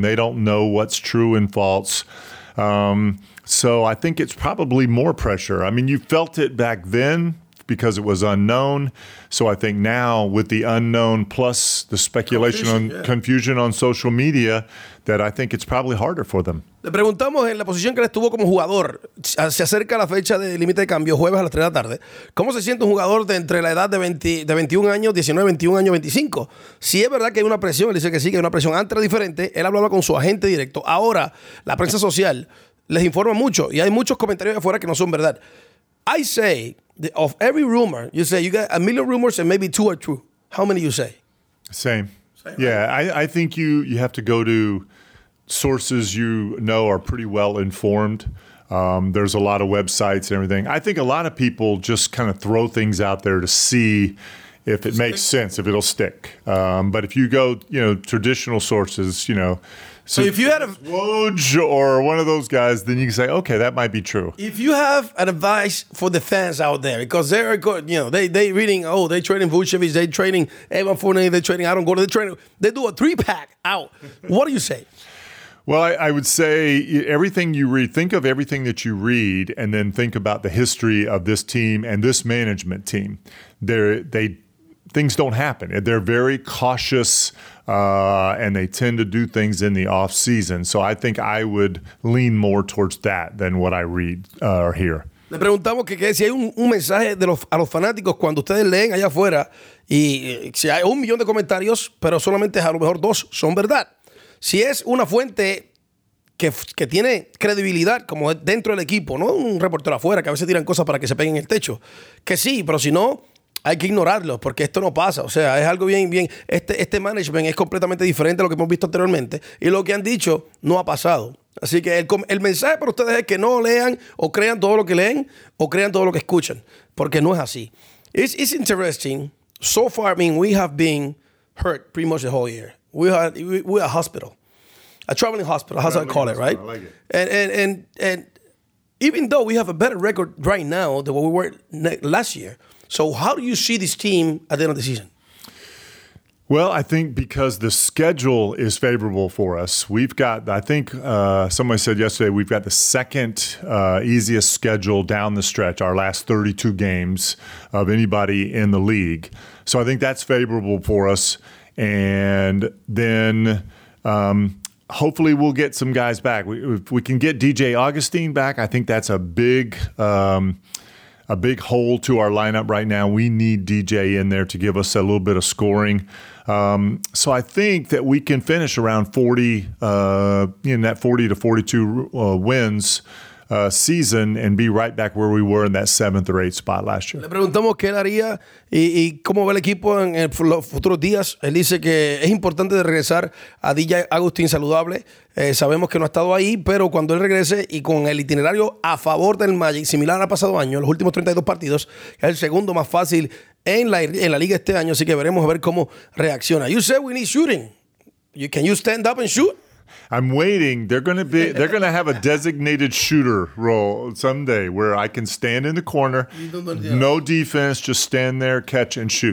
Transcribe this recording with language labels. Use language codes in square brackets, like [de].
[en] They don't know what's true and false. So I think it's probably more pressure. I mean, you felt it back then because it was unknown. So I think now with the unknown plus the speculation on confusion on social media, that I think it's probably harder for them. [es] Le preguntamos en la posición que él estuvo como jugador. Se acerca la fecha de límite de cambio, jueves a las 3 de la tarde. ¿Cómo se siente un jugador de entre la edad de 21 años, 19, 21 años, 25? Si es verdad que hay una presión, él dice que sí, que hay una presión. Antes era diferente, él hablaba con su agente directo. Ahora, la prensa social les informa mucho y hay muchos comentarios de afuera que no son verdad. [en] I say, of every rumor, you say you got 1 million rumors and maybe 2 are true. How many you say? Same. Yeah, I think you have to go to sources you know are pretty well informed. There's a lot of websites and everything. I think a lot of people just kind of throw things out there to see if it makes sense, if it'll stick. But if you go, you know, traditional sources, you know, so if you had a Woj or one of those guys, then you can say, okay, that might be true. If you have an advice for the fans out there, because they're good, you know, they reading, oh, they're trading Vucevic, they're trading Evan Fournier, they're trading, I don't go to the training. They do a 3-pack out. What do you say? Well, I would say everything you read, think of everything that you read and then think about the history of this team and this management team. They things don't happen. They're very cautious, and they tend to do things in the off season. So I think I would lean more towards that than what I read or hear. [es] Le preguntamos que si hay un mensaje de los, a los fanáticos cuando ustedes leen allá afuera y si hay 1,000,000 de comentarios, pero solamente a lo mejor 2 son verdad. Si es una fuente que tiene credibilidad como dentro del equipo, no un reportero afuera que a veces tiran cosas para que se peguen en el techo, que sí, pero si no, hay que ignorarlo porque esto no pasa. O sea, es algo bien, bien. Este management es completamente diferente a lo que hemos visto anteriormente y lo que han dicho no ha pasado. Así que el mensaje para ustedes es que no lean o crean todo lo que leen o crean todo lo que escuchan, porque no es así. [en] It's interesting. So far, I mean, we have been hurt pretty much the whole year. We're a hospital, a traveling hospital. How's I call it, right? I like it. And even though we have a better record right now than what we were last year, so how do you see this team at the end of the season? Well, I think because the schedule is favorable for us, we've got, I think somebody said yesterday, we've got the second easiest schedule down the stretch, our last 32 games of anybody in the league. So I think that's favorable for us. And then hopefully we'll get some guys back. If we can get DJ Augustine back, I think that's a big hole to our lineup right now. We need DJ in there to give us a little bit of scoring. So I think that we can finish around 40, in that 40 to 42 wins season and be right back where we were in that 7th or 8th spot last year. [es] Le preguntamos qué él haría y cómo ve el equipo en los futuros días. Él dice que es importante de regresar a DJ Agustín saludable. Sabemos que no ha estado ahí, pero cuando él regrese y con el itinerario a favor del Magic, similar al pasado año, los últimos 32 partidos, es el segundo más fácil en la liga este año, así que veremos a ver cómo reacciona. [en] You said we need shooting. Can you stand up and shoot? I'm waiting. They're gonna have a designated shooter role someday where I can stand in the corner, no defense, just stand there, catch and shoot.